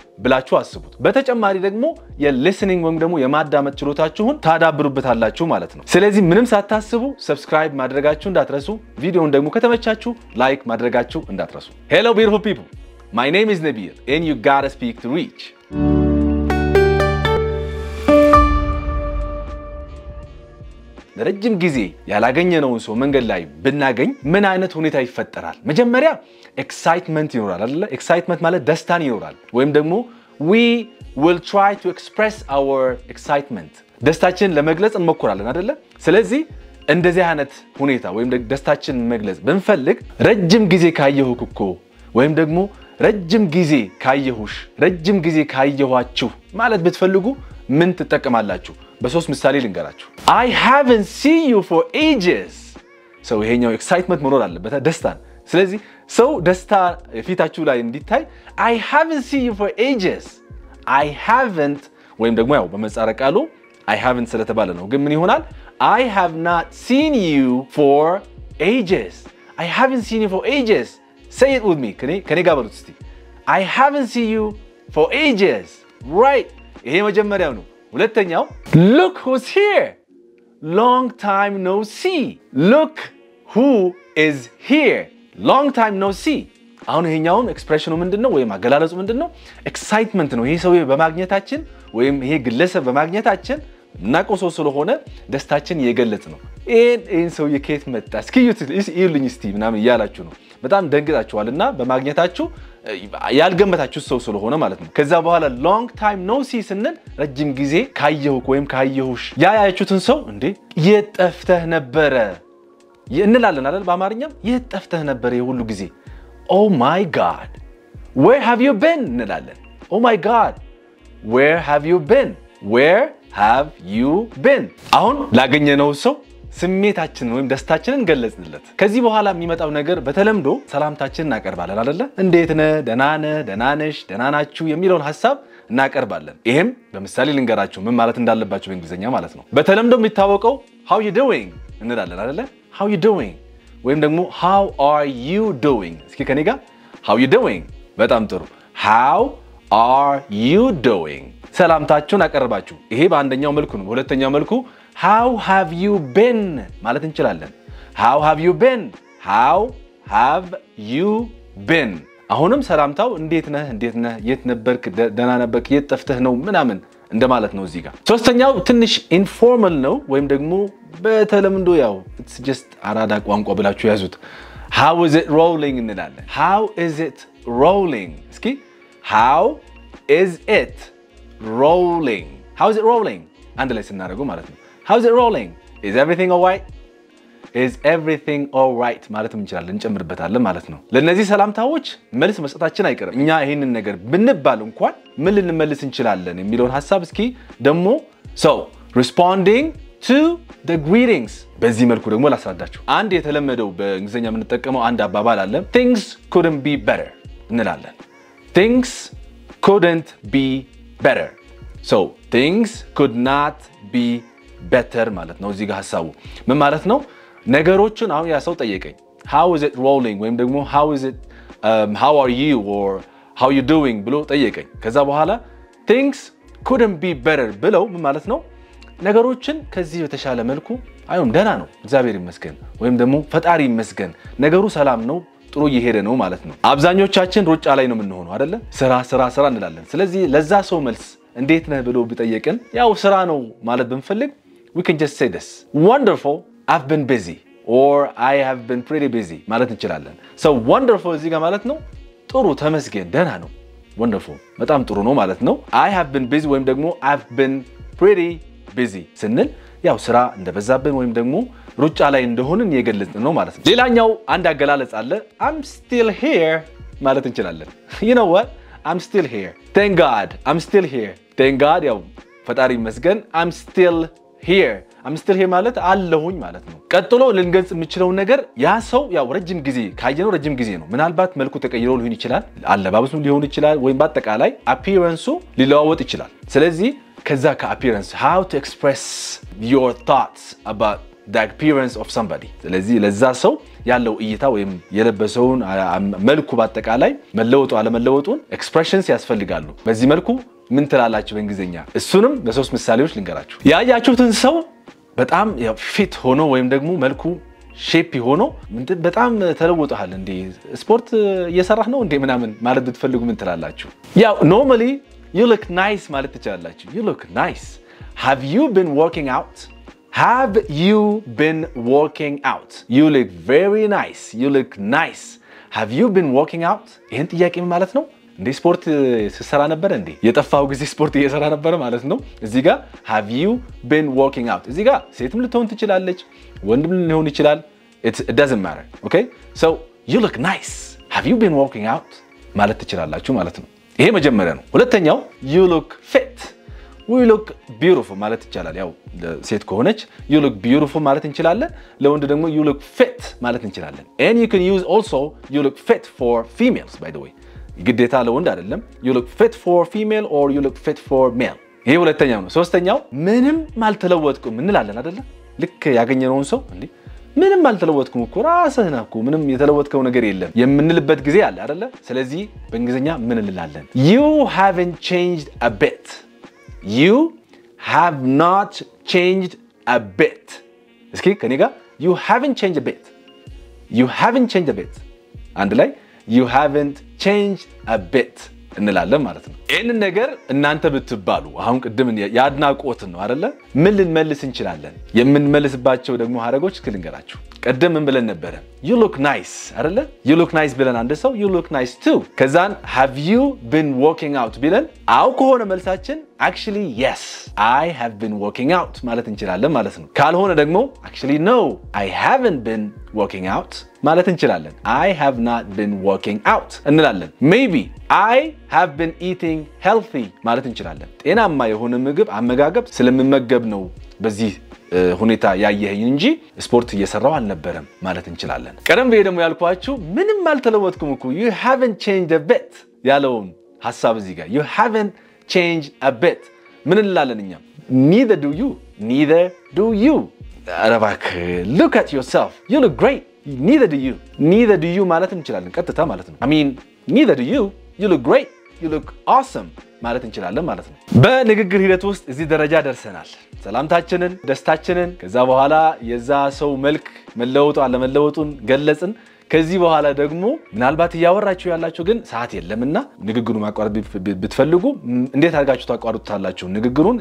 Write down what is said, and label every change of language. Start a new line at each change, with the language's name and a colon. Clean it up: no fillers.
Amharic: ብላችሁ አስቡት። በተጨማሪ ደግሞ የሊስኒንግ ወይም ደግሞ የማዳመጥ ችሎታችሁን ታዳብሩበታላችሁ ማለት ነው። ስለዚህ ምንም ሳታስቡ ሰብስክራይብ ማድረጋችሁ እንዳትረሱ፣ ቪዲዮውን ደግሞ ከተመቻችሁ ላይክ ማድረጋችሁ እንዳትረሱ። ሄሎ ቢዩቲፉል ፒፕል
English: My name is Nabil and you gotta speak to reach.
Amharic: ለረጅም ጊዜ ያላገኘነውን ሰው መንገድ ላይ ብናገኝ ምን አይነት ሁኔታ ይፈጠራል? መጀመሪያ excitement ይኖራል አይደል? excitement ማለት ደስታን ይኖራል። ወይም ደግሞ
English: we will try to express our excitement.
Amharic: ደስታችንን ለመግለጽ እንሞክራለን አይደል? ስለዚህ እንደዚህ አይነት ሁኔታ ወይም ደስታችንን መግለጽ ብንፈልግ ረጅም ጊዜ ካየሁህ እኮ ወይም ደግሞ ረጅም ጊዜ ካየሁሽ ረጅም ጊዜ ካየኋችሁ ማለት ብትፈልጉ ምን ትጠቀማላችሁ? በሶስት ምሳሌ ልንገራችሁ።
English: I haven't seen you for ages.
Amharic: So ይሄኛው excitement መኖር አለበት ደስታን። ስለዚህ ሰው ደስታ ፊታችሁ ላይ እንዲታይ
English: I haven't seen you for ages.
Amharic: I haven't ወይም ደግሞ ያው በመጻረ ቃሉ I haven't ስለተባለ ነው። ግን ምን ይሆናል?
English: I have not seen you for ages. I haven't seen you for ages. Say it with me.
Amharic: ከኔ ጋር በሉት እስቲ።
English: I haven't seen you for ages. Right.
Amharic: ይሄ መጀመሪያው ነው። ሁለተኛው
English: Look who's here. Long time no see. Look who is here. Long time no see.
Amharic: አሁን ይሄኛው expression ምንድነው ወይም አገላለጹ ምንድነው? Excitement ነው። ይሄ ሰውዬ በማግኘታችን ወይም ይሄ ግለሰብ በማግኘታችን ናቆሶ ስለሆነ ደስታችን የገለጽ ነው። ይህን ሰውዬ ከየት መጣ? እስኪ ይዩልኝ እስቲ ምናምን እያላችሁ ነው። በጣም ደንግጣችኋል እና በማግኘታችሁ ያልገመታችሁ ሰው ስለሆነ ማለት ነው። ከዛ በኋላ
English: long time no see
Amharic: ስንል ረጅም ጊዜ ካየሁክ ወይም ካየሁሽ ያያችሁትን ሰው እንዴ የጠፍተህ ነበረ እንላለን አይደል? በአማርኛም የጠፍተህ ነበረ የሁሉ ጊዜ።
English: Oh my God, where have you been? እንላለን። Oh my God, where have you been? Where have you been?
Amharic: አሁን ላገኘነው ሰው ስሜታችንን ወይም ደስታችንን ገለጽንለት። ከዚህ በኋላ የሚመጣው ነገር በተለምዶ ሰላምታችንን እናቀርባለን አይደለ? እንዴት ነህ? ደህና ነህ? ደህና ነሽ? ደህና ናችሁ? የሚለውን ሐሳብ እናቀርባለን። ይሄም በምሳሌ ልንገራችሁ ምን ማለት እንዳለባችሁ በእንግሊዘኛ ማለት ነው። በተለምዶ የሚታወቀው
English: how you doing
Amharic: እንላለን አይደለ?
English: how you doing ወይም ደግሞ how are you doing።
Amharic: እስኪ ከኔ ጋር
English: how you doing። በጣም ጥሩ። how are you doing ሰላምታችሁን አቀርባችሁ።
Amharic: ይሄ በአንደኛው መልኩ ነው። በሁለተኛው መልኩ
English: How have you been? ማለት እንችላለን። How have you been? How have you been?
Amharic: አሁንም ሰላምታው እንዴት ነህ? የት ነበርክ? ደህና ነበርክ? የት ጠፍተህ ነው? ምናምን እንደማለት ነው እዚህ ጋር። ሶስተኛው ትንሽ ኢንፎርማል ነው ወይም ደግሞ በተለምዶ ያው it's just አራዳ ቋንቋ ብላችሁ ያዙት።
English: How is it rolling
Amharic: እንላለን። How is it rolling?
English: እስኪ How is it rolling? How is it rolling?
Amharic: አንድ ላይ ስናደርገው ማለት ነው
English: How's it rolling? Is everything all right? Is everything all right?
Amharic: ማለትም እንችላለን እንጨምርበታለን ማለት ነው። ለነዚህ ሰላምታዎች መልስ መስጠታችን አይቀርም። እኛ ይሄንን ነገር ብንባል እንኳን ምን ልንመልስ እንችላለን የሚለውን ሐሳብ እስኪ ደሞ
English: So, responding to the greetings.
Amharic: በዚህ መልኩ ደግሞ ላስረዳችሁ። አንድ የተለመደው በእንግሊዘኛ የምንጠቀመው አንድ አባባል አለ።
English: Things couldn't be better
Amharic: እንላለን። Things couldn't be better.
English: So, things could not be better
Amharic: ማለት ነው። እዚህ ጋር ሐሳቡ ምን ማለት ነው? ነገሮቹን አሁን ያ ሰው ጠየቀኝ
English: how is it rolling ወይም ደግሞ how is it how are you or how you doing
Amharic: ብሎ ጠየቀኝ። ከዛ በኋላ
English: things couldn't be better
Amharic: ብለው ምን ማለት ነው? ነገሮችን ከዚህ የተሻለ መልኩ አይሁን ደና ነው እግዚአብሔር ይመስገን ወይም ደግሞ ፈጣሪ ይመስገን ነገሩ ሰላም ነው ጥሩ እየሄደ ነው ማለት ነው። አብዛኞቻችን ሩጫ ላይ ነው የምንሆነው አይደለ? ስራ እንላለን። ስለዚህ ለዛ ሰው መልስ እንዴት ነህ ብሎ ቢጠየቀን ያው ስራ ነው ማለት ብንፈልግ
English: we can just say this. Wonderful, I've been busy. Or I have been pretty busy.
Amharic: ማለት እንችላለን. So wonderful እዚህ ጋር ማለት ነው ጥሩ ተመስገን ደና ነው. Wonderful. በጣም ጥሩ ነው ማለት ነው.
English: I have been busy ወይም ደግሞ I've been pretty busy.
Amharic: ስንል ያው ስራ እንደበዛብን ወይም ደግሞ ሩጫ ላይ እንደሆንን የገለጽ ነው ማለት ነው. ሌላኛው አንድ አገላለጽ አለ.
English: I'm still here
Amharic: ማለት እንችላለን.
English: You know what? I'm still here. Thank God. I'm still here. Thank God
Amharic: ያው ፈጣሪ ይመስገን.
English: I'm still here. I'm still here
Amharic: ማለት አለሁኝ ማለት ነው. ቀጥሎ ልንገልጽ የምችለው ነገር ያ ሰው ያው ረጅም ጊዜ ካየነው ረጅም ጊዜ ነው. ምናልባት መልኩ ተቀይሮ ሊሆን ይችላል. አለባበሱ ሊሆን ይችላል ወይም በአጠቃላይ appearance ሊለዋወጥ ይችላል. ስለዚህ ከዛ ከappearance
English: how to express your thoughts about the appearance of somebody.
Amharic: ስለዚህ ለዛ ሰው ያለው እይታ ወይም የለበሰውን መልኩ በአጠቃላይ መለወጡ አለመለወጡን expressions ያስፈልጋሉ. በዚህ መልኩ ምን ትላላችሁ በእንግሊዘኛ? እሱንም በሶስት ምሳሌዎች ልንገራችሁ. ያያችሁትን ሰው በጣም ፊት ሆኖ ወይም ደግሞ መልኩ ሼፕ ሆኖ በጣም ተለውጧል እንዴ? ስፖርት እየሰራህ ነው እንዴ? ምናምን ማለት ብትፈልጉ ምን ትላላችሁ? ያ ኖርማሊ
English: you look nice
Amharic: ማለት ትችላላችሁ.
English: you look nice. have you been working out? have you been working out? you look very nice. you look nice. have you been working out?
Amharic: ይሄን ጥያቄ ማለት ነው? እንዴ ስፖርት ሲሰራ ነበር እንዴ? የጠፋው ጊዜ ስፖርት እየሰራ ነበር ማለት ነው? እዚህ ጋር
English: have you been working out?
Amharic: እዚህ ጋር ሴትም ልትሆን ትችላለች ወንድም ሊሆን ይችላል.
English: it doesn't matter. okay? so you look nice. have you been working out?
Amharic: ማለት ትችላላችሁ ማለት ነው. ይሄ መጀመሪያ ነው.
English: ሁለተኛው you look fit. we look beautiful
Amharic: ማለት ይችላል. ያው ሴት ከሆነች
English: you look beautiful
Amharic: ማለት እንችላለን. ለወንድ ደግሞ
English: you look fit
Amharic: ማለት እንችላለን.
English: and you can use also you look fit for females by the way.
Amharic: ግዴታ ለወንድ አይደለም.
English: you look fit for female or you look fit for male.
Amharic: ይሄ ሁለተኛው ነው. ሶስተኛው ምንም አልተለወጥኩም እንላለን አይደለ? ልክ ያገኘነውን ሰው እንዴ ምንም አልተለወጥኩም እኮ ራስህ ነህ እኮ ምንም የተለወጥከው ነገር የለም የምንልበት ጊዜ አለ አይደለ? ስለዚህ በእንግሊዘኛ ምን እንላለን?
English: you haven't changed a bit. you have not changed a bit.
Amharic: እስኪ ከኔ ጋር
English: you haven't changed a bit. you haven't changed a bit.
Amharic: አንድ ላይ
English: you haven't changed a bit
Amharic: እንላለን ማለት ነው. ይሄን ነገር እናንተ ብትባሉ አሁን ቀድምን ያድናቆት ነው አይደለ? ምን ልንመልስ እንችላለን? የምንመልስባቸው ደግሞ ሀረጎች ክልንገራችሁ. ቀድምን ብለን ነበር
English: you look nice
Amharic: አይደለ?
English: you look nice
Amharic: ብለን አንድ ሰው
English: you look nice too. ከዛን have you been working out
Amharic: ብለን አው ከሆነ መልሳችን
English: actually yes i have been working out ማለት እንችላለን ማለት ነው.
Amharic: ካልሆነ ደግሞ
English: actually no i haven't been working out ማለት እንችላለን. i have not been working out እንላለን. maybe i have been eating healthy
Amharic: ማለት እንችላለን. ጤናማ የሆነ ምግብ አመጋገብ ስለምመገብ ነው በዚህ ሁኔታ ያየኸኝ እንጂ ስፖርት እየሰራው አልነበረም ማለት እንችላለን. ቀደም ብዬ ደግሞ ያልኳችሁ ምንም አልተለወጥኩም እኮ
English: you haven't changed a bit
Amharic: ያለውን ሐሳብ እዚህ ጋር you haven't changed a bit ምን እንላለን እኛ?
English: neither do you. neither do you. አረባክ look at yourself. you look great. neither do you. neither do you
Amharic: ማለት እንችላለን ቀጥታ ማለት ነው.
English: i mean neither do you. you look great. you look awesome
Amharic: ማለት እንችላለን ማለት ነው. በንግግር ሂደት ውስጥ እዚህ ደረጃ ደርሰናል. ሰላምታችንን ደስታችንን ከዛ በኋላ የዛ ሰው መልክ መለወጡ አለመለወጡን ገለጽን. ከዚህ በኋላ ደግሞ ምናልባት ያወራችሁ ያላችሁ ግን ሰዓት የለምና ንግግሩ ማቋረጥ ብትፈልጉ እንዴት አድርጋችሁ ታቋርጡታላችሁ ንግግሩን?